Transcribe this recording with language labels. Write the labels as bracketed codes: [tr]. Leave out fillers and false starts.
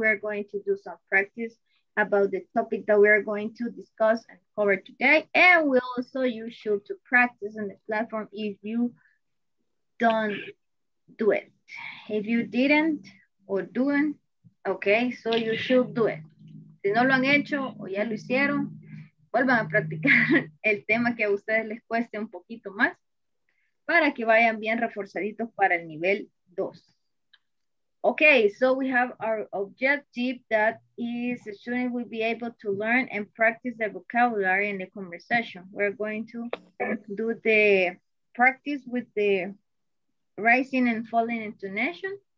[en] We're going to do some practice about the topic that we are going to discuss and cover today. And we also, you should to practice in the platform if you don't do it. If you didn't or doing, okay, so you should do it. [es] Si no lo han hecho o ya lo hicieron, vuelvan a practicar el tema que a ustedes les cueste un poquito más para que vayan bien reforzaditos para el nivel 2. [en] Okay, so we have our objective that is the student will be able to learn and practice the vocabulary in the conversation. We're going to do the practice with the rising and falling intonation.